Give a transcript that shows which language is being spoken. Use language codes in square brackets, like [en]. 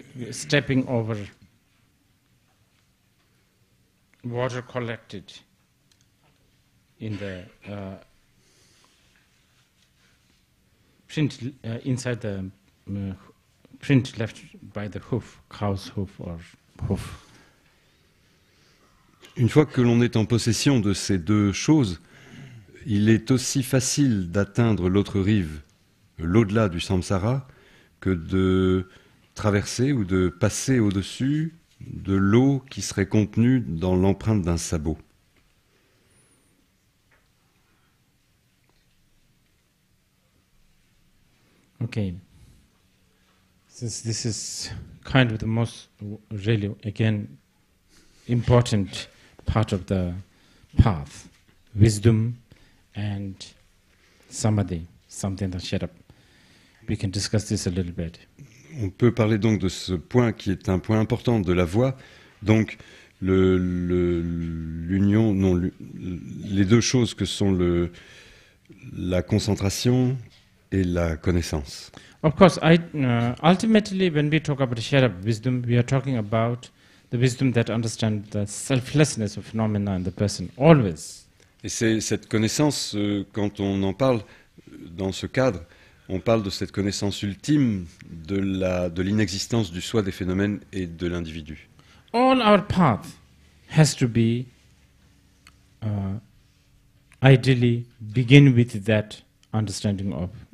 [en] stepping over water collected in the print inside the print left by the hoof, cow's hoof or hoof. [fr] Une fois que l'on est en possession de ces deux choses, il est aussi facile d'atteindre l'autre rive, l'au-delà du samsara, que de traverser ou de passer au-dessus de l'eau qui serait contenue dans l'empreinte d'un sabot. [en] Ok. Since this is kind of the most really again important part of the path, wisdom and samadhi, something that shut up. We can discuss this a little bit. [fr] On peut parler donc de ce point qui est un point important de la voie, donc les deux choses que sont la concentration et la connaissance. [en] Of course, ultimately, when we talk about the shared wisdom, we are talking about the wisdom that understands the selflessness of phenomena and the person always. [fr] Et c'est cette connaissance, quand on en parle dans ce cadre, on parle de cette connaissance ultime de l'inexistence du soi des phénomènes et de l'individu. [en] All our path has to be ideally begin with that understanding of.